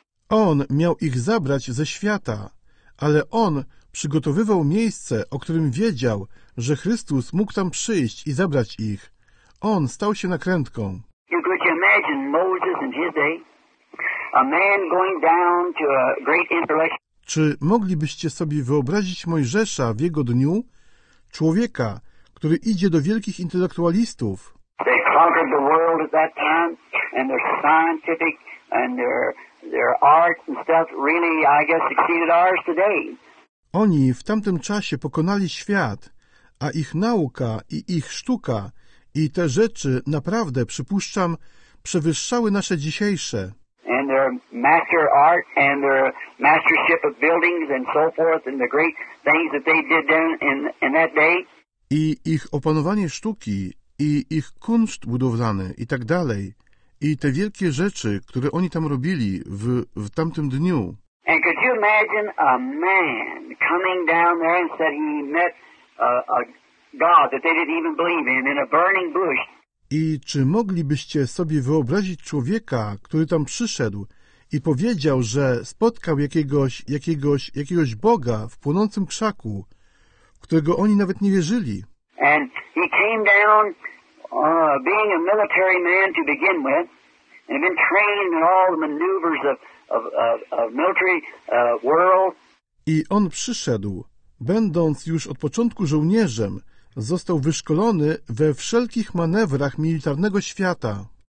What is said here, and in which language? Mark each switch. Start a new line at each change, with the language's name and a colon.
Polish: On miał ich zabrać ze świata, ale on przygotowywał miejsce, o którym wiedział, że Chrystus mógł tam przyjść i zabrać ich. On stał się nakrętką.
English: Could you imagine Moses in his day? A man going down to a great intellect.
Polish: Czy moglibyście sobie wyobrazić Mojżesza w jego dniu? Człowieka, który idzie do wielkich intelektualistów.
English: They conquered the world at that time, and their scientific and their art and stuff really, I guess, exceeded ours today.
Polish: Oni w tamtym czasie pokonali świat, a ich nauka i ich sztuka i te rzeczy naprawdę, przypuszczam, przewyższały nasze dzisiejsze.
English: And their master art and their mastership of buildings and so forth and the great things that they did in that day.
Polish: I ich opanowanie sztuki i ich kunszt budowlany i tak dalej i te wielkie rzeczy, które oni tam robili w tamtym dniu.
English: And could you imagine a man coming down there and said he met a God that they didn't even believe in a burning bush.
Polish: I czy moglibyście sobie wyobrazić człowieka, który tam przyszedł i powiedział, że spotkał jakiegoś Boga w płonącym krzaku, w którego oni nawet nie wierzyli?
English: And he came down being a military man to begin with, and had been trained in all the maneuvers of military world.
Polish: I on przyszedł, będąc już od początku żołnierzem, został wyszkolony we wszelkich manewrach militarnego świata.